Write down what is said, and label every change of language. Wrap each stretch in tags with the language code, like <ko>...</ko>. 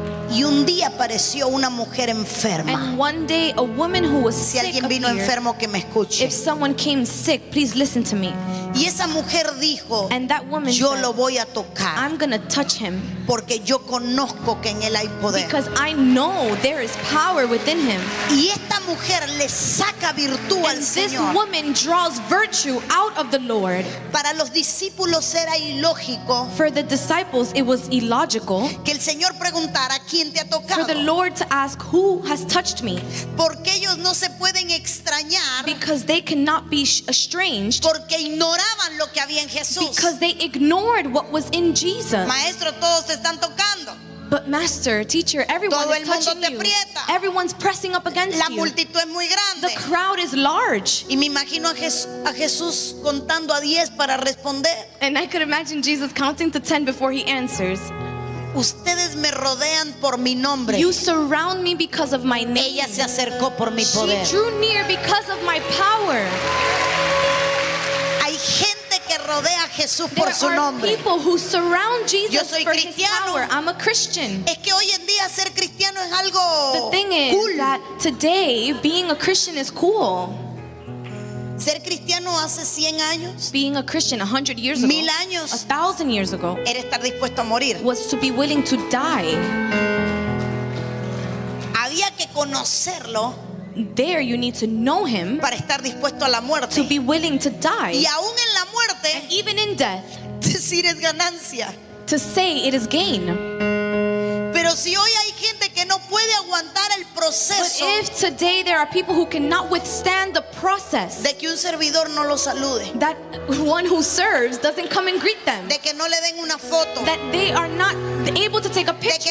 <es>Y un día apareció una mujer enferma.</es> <en>And one day a woman who was</en> <es>sick. Si alguien vino</es> <en>appeared,</en> <es>enfermo, que me escuche.</es> <en>If someone came sick, please listen to me.</en> <es>Y esa mujer dijo,</es> <en>and that woman</en> <es>yo</es> <en>said,</en> <es>lo voy a tocar.</es> <en>I'm going to touch him.</en> <es>Porque yo conozco que en él hay poder.</es> <en>Because I know there is power within him.</en> <es>Y esta mujer le saca virtud</es> <en>and</en> <es>al</es> <en>this</en> <es>Señor.</es> <en>Woman draws virtue out of the Lord.</en> <es>Para los discípulos era ilógico.</es> <en>For the disciples it was illogical.</en> <es>Que el Señor preguntara, ¿quién te ha tocado?</es> <en>For the Lord to ask, who has touched me?</en> <es>Porque ellos no se pueden extrañar.</es> <en>Because they cannot be estranged.</en> <es>Porque ignoraban lo que había en Jesús.</es> <en>Because they ignored what was in Jesus.</en> <es>Maestro, todos te están tocando.</es> <en>But master, teacher, everyone is touching you. Everyone's pressing up against</en> <es>la multitud es muy grande.</es> <en>The crowd is large.</en> <es>Y me imagino a Jesús contando a 10 para responder.</es> <en>And I could imagine Jesus counting to 10 before he answers.</en> <es>Ustedes me rodean por mi nombre.</es> <en>You surround me because of my name.</en> <es>Ella se acercó por mi poder.</es> <en>She drew near because of my power.</en> <es>Hay gente que rodea a Jesús por su nombre.</es> <en>There are people who surround Jesus.</en> <es>Yo soy cristiano.</es> <en>I'm a Christian.</en> <es>Es que hoy en día ser cristiano es algo cool.</es> <en>The thing is that today being a Christian is cool.</en> <es>Ser cristiano hace 100 años.</es> <en>Being a Christian 100 years ago.</en> <es>1000 años.</es> <en>1000 years ago.</en> <es>Era estar dispuesto a morir.</es> <en>Was to be willing to die.</en> <es>Había que conocerlo.</es> <en>There you need to know him.</en> <es>Para estar dispuesto a la muerte.</es> <en>To be willing to die.</en> <es>Y aún en la muerte.</es> <en>And even in death.</en> <es>Decir es ganancia.</es> <en>To say it is gain.</en> <es>Pero si hoy hay gente que no puede aguantar el proceso.</es> <en>But if today there are people who cannot withstand the process.</en> <es>De que un servidor no lo salude.</es> <en>That one who serves doesn't come and greet them.</en> <es>De que no le den una foto.</es> <en>That they are not able to take a picture.</en>